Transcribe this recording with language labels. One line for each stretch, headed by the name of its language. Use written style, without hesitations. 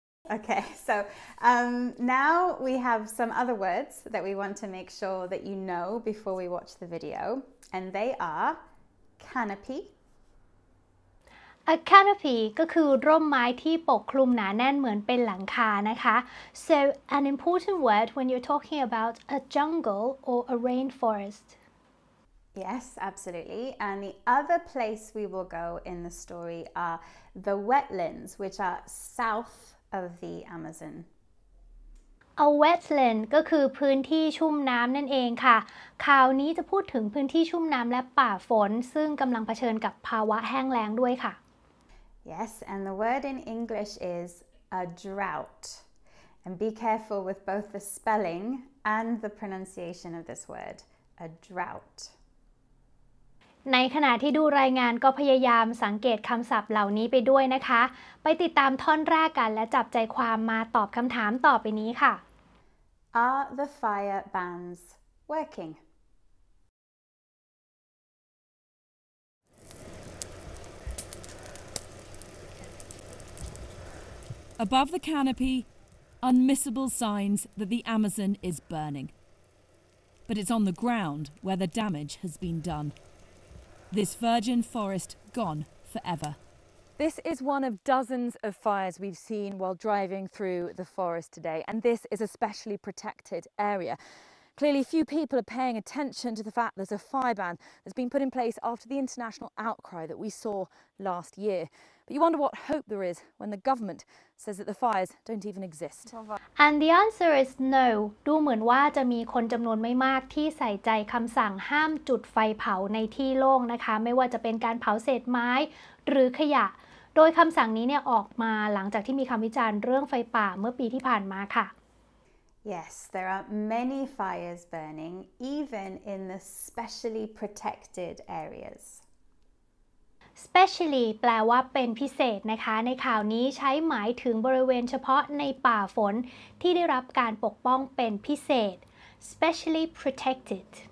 English: Okay, so now we have some other words that we want to make sure that you know before we watch the video, and they are canopy. A canopy
Thai: ก็คือร่มไม้ที่ปกคลุมหนาแน่นเหมือนเป็นหลังคานะคะ
English: So an important word when you're talking about a jungle or a rainforest. Yes, absolutely. And the other place we will go in the story are the wetlands, which are south of the Amazon.
Thai: A wetland ก็คือพื้นที่ชุ่มน้ำนั่นเองค่ะคราวนี้จะพูดถึงพื้นที่ชุ่มน้ำและป่าฝนซึ่งกำลังเผชิญกับภาวะแห้งแล้งด้วยค่ะ
English: Yes, and the word in English is a drought. And be careful with both the spelling and the pronunciation of this word, a drought.
Thai: ในขณะที่ดูรายงานก็พยายามสังเกตคำศัพท์เหล่านี้ไปด้วยนะคะไปติดตามท่อนแรกกันและจับใจความมาตอบคำถามต่อไปนี้ค่ะ
English: Are the fire bans working? Above the canopy, unmissable signs that the Amazon is burning. But it's on the ground where the damage has been done. This virgin forest gone forever. This is one of dozens of fires we've seen while driving through the forest today, and this is a specially protected area. Clearly, few people are paying attention to the fact there's a fire ban that's been put in place after the international outcry that we saw last year. But you wonder what hope there is when the government says that the fires don't even exist. And the answer is no.
Thai: ดูเหมือนว่าจะมีคนจำนวนไม่มากที่ใส่ใจคำสั่งห้ามจุดไฟเผาในที่โล่งนะคะไม่ว่าจะเป็นการเผาเศษไม้หรือขยะโดยคำสั่งนี้เนี่ยออกมาหลังจากที่มีคำวิจารณ์เรื่องไฟป่าเมื่อปีที่ผ่านมาค่ะ
English: Yes, there are many fires burning, even in the specially protected areas.
Thai: Specially แปลว่าเป็นพิเศษนะคะในข่าวนี้ใช้หมายถึงบริเวณเฉพาะในป่าฝนที่ได้รับการปกป้องเป็นพิเศษ Specially protected.